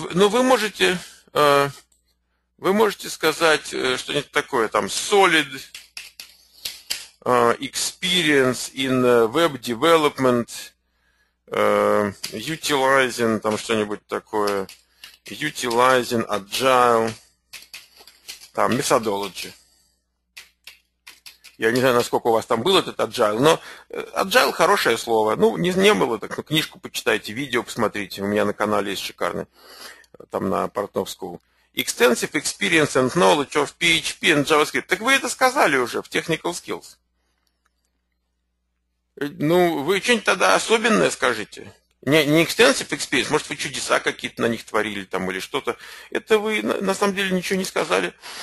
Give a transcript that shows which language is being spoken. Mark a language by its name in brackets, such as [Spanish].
[Russian] Но вы можете сказать что-нибудь такое, там, [English] solid experience in web development, utilizing, [Russian] там, что-нибудь такое. [English] Utilizing, agile, [Russian] там, [English] methodology. [Russian] Я не знаю, насколько у вас там был этот agile, но agile хорошее слово. Ну, не было так, но книжку почитайте, видео посмотрите. У меня на канале есть шикарный, там на Portnoy School. [English] Extensive experience and knowledge of PHP and JavaScript. [Russian] Так вы это сказали уже в technical skills. Ну, вы что-нибудь тогда особенное скажите. Не [English] extensive experience, [Russian] может, вы чудеса какие-то на них творили там или что-то. Это вы на самом деле ничего не сказали.